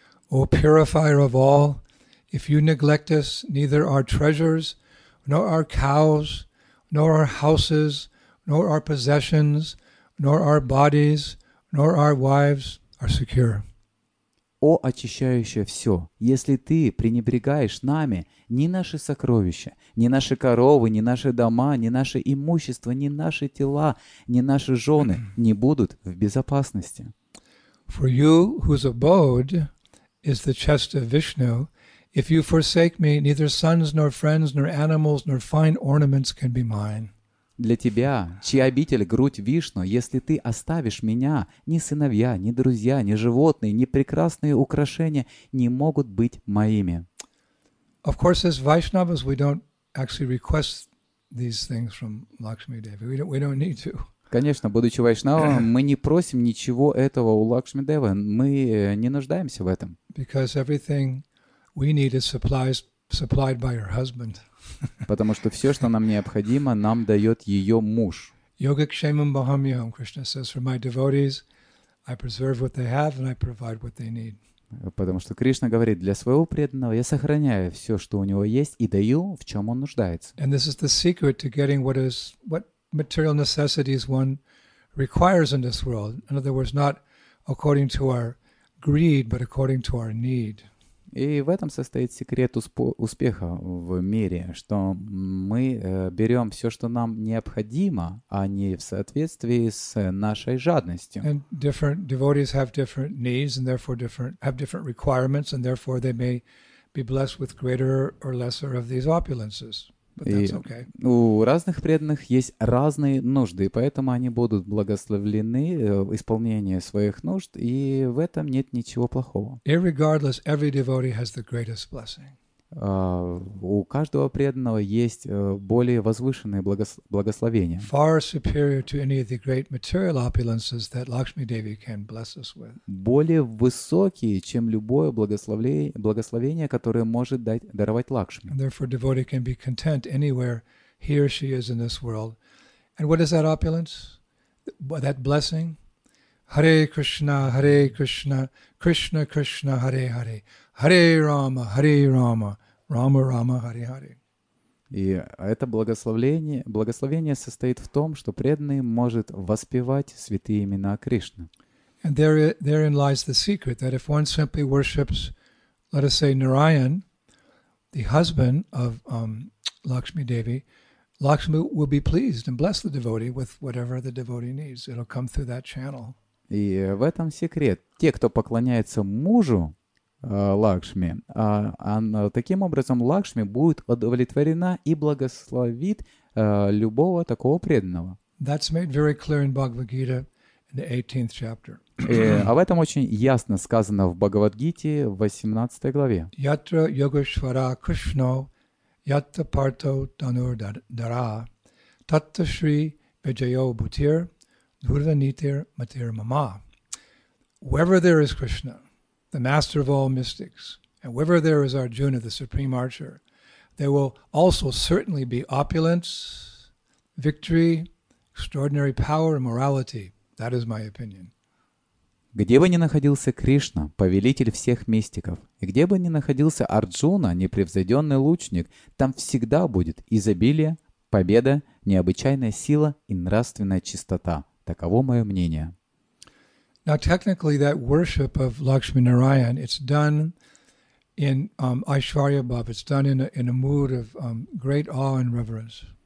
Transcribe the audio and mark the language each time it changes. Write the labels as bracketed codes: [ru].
[en] O purifier of all, if you neglect us, neither our treasures, nor our cows, nor our houses, nor our possessions, nor our bodies, nor our wives are secure. [ru] О, очищающее все, если ты пренебрегаешь нами, ни наши сокровища, ни наши коровы, ни наши дома, ни наше имущество, ни наши тела, ни наши жены не будут в безопасности. [en] For you, whose abode is the chest of Vishnu, if you forsake me, neither sons, nor friends, nor animals, nor fine ornaments can be mine. [ru] Для тебя, чья обитель — грудь Вишну, если ты оставишь меня, ни сыновья, ни друзья, ни животные, ни прекрасные украшения не могут быть моими. [en] Of course, as Vaishnavas, we don't actually request these things from Lakshmi Devi. We don't need to. [ru] Конечно, будучи вайшнавами, мы не просим ничего этого у Лакшми Девы. Мы не нуждаемся в этом. [en] Because everything we need is supplied by her husband. [ru] Потому что все, что нам необходимо, нам дает ее муж. [sa] Yoga kshemam bahamyaham, [en] Krishna says, for my devotees, I preserve what they have and I provide what they need. [ru] Потому что Кришна говорит, для своего преданного я сохраняю все, что у него есть, и даю, в чем он нуждается. [en] And this is the secret to getting what material necessities one requires in this world. In other words, not according to our greed, but according to our need. [ru] И в этом состоит секрет успеха в мире, что мы берем все, что нам необходимо, а не в соответствии с нашей жадностью. [en] And different devotees have different needs and therefore have different requirements and therefore they may be blessed with greater or lesser of these opulences. But that's okay. [ru] У разных преданных есть разные нужды, поэтому они будут благословлены в исполнении своих нужд, и в этом нет ничего плохого. [en] Irregardless, every devotee has the greatest blessing. [ru] У каждого преданного есть более возвышенные благословения. [en] Far superior to any of the great material opulences that Lakshmi Devi can bless us with. [ru] Более высокие, чем любое благословение, которое может даровать Лакшми. [en] And therefore, devotee can be content anywhere he or she is in this world. And what is that opulence? That blessing? Hare Krishna, Hare Krishna, Krishna Krishna, Hare Hare. Hare Rama, Hare Rama, Rama Rama, Hare Hare. [ru] И это благословение, состоит в том, что преданный может воспевать святые имена Кришны. [en] And therein lies the secret that if one simply worships, let us say, Narayan, the husband of Lakshmi Devi, Lakshmi will be pleased and bless the devotee with whatever the devotee needs. It'll come through that channel. [ru] И в этом секрет. Те, кто поклоняется мужу Лакшми, таким образом Лакшми будет удовлетворена и благословит любого такого преданного. [en] That's made very clear in Bhagavad Gita in the 18th chapter. [ru] Об этом очень ясно сказано в Бхагавадгите в 18 главе. [sa] Yatra Yogeshvara Krishna Yatra Parto Tanur Dara Tatta Shri Vijayo Bhutir Dhurva Nitir Matir Mama. [en] Wherever there is Krishna, the master of all mystics, and wherever there is Arjuna, the supreme archer, there will also certainly be opulence, victory, extraordinary power and morality. That is my opinion. [ru] Где бы ни находился Кришна, повелитель всех мистиков, и где бы ни находился Арджуна, непревзойденный лучник, там всегда будет изобилие, победа, необычайная сила и нравственная чистота. Таково мое мнение. [en] Now, technically, that worship of Lakshmi Narayan, it's done in Aishwarya Bhav. It's done in a mood of great awe and reverence.